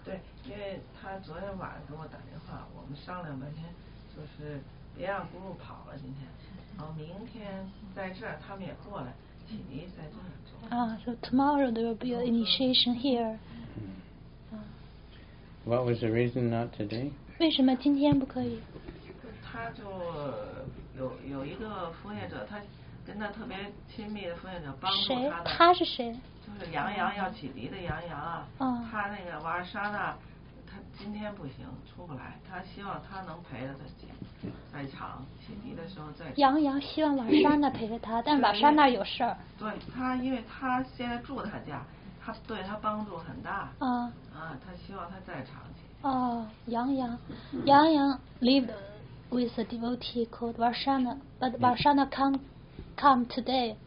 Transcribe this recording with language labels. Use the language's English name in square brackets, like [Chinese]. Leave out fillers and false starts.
[Chinese] 对，因为他昨天晚上给我打电话，我们商量半天，就是别让咕噜跑了今天，然后明天在这儿他们也过来，请你在这儿 [English] 做。So tomorrow there will be an initiation here. What was the reason not today? [Chinese] 为什么今天不可以？他就有一个奉献者，他跟他特别亲密的奉献者帮助他的。谁？他是谁？就是杨洋要启迪的杨洋啊。他那个瓦尔莎那，他今天不行，出不来。他希望他能陪着他在场启迪的时候在场。杨洋希望瓦尔莎那陪着他，但瓦尔莎那有事儿。对他，因为他现在住他家。他对他帮助很大。他希望他在场。 [English] 杨洋 lived with a devotee called Varshana, but Varshana can't come today.